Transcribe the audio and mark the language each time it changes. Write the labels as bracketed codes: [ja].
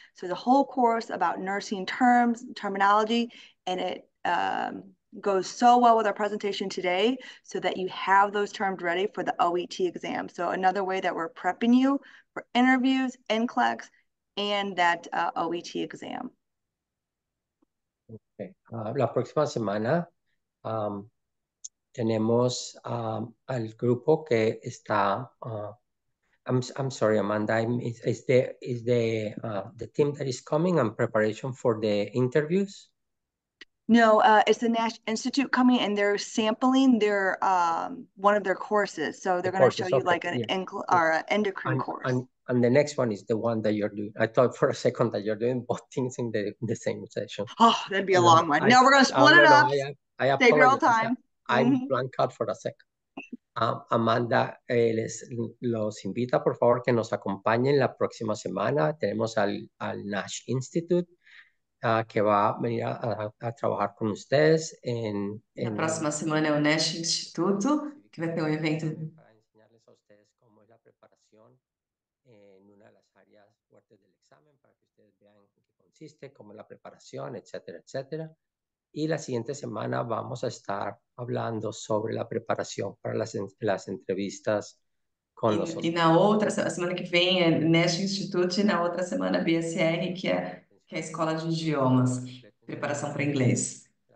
[en] So the whole course about nursing terms, terminology, and it goes so well with our presentation today so that you have those terms ready for the OET exam. So another way that we're prepping you for interviews, NCLEX, and that OET exam. Okay. [es] La próxima semana tenemos al grupo que está. [en] I'm sorry, Amanda. Is the team that is coming in preparation for the interviews? No, it's the Nash Institute coming and they're sampling their one of their courses. So they're going to show you like an endocrine course. And the next one is the one that you're doing. I thought for a second that you're doing both things in the same session. Oh, that'd be a long one. No, we're going to split it up. I save your old time. I'm blank out for a second. [es] Amanda, los invita, por favor, que nos acompañen la próxima semana. Tenemos al Nash Institute. Que va a venir a trabajar con ustedes en la próxima semana [pt] o Nash Instituto, que vai ter evento [es] para enseñarles a ustedes cómo es la preparación en una de las áreas fuertes del examen para que ustedes vean en qué consiste, cómo es la preparación, etcétera, etcétera. Y la siguiente semana vamos a estar hablando sobre la preparación para las entrevistas con los otros. [pt] Y na outra semana que vem é Nash Instituto e na outra semana BSR, que é a Escola de Idiomas, preparação para inglês.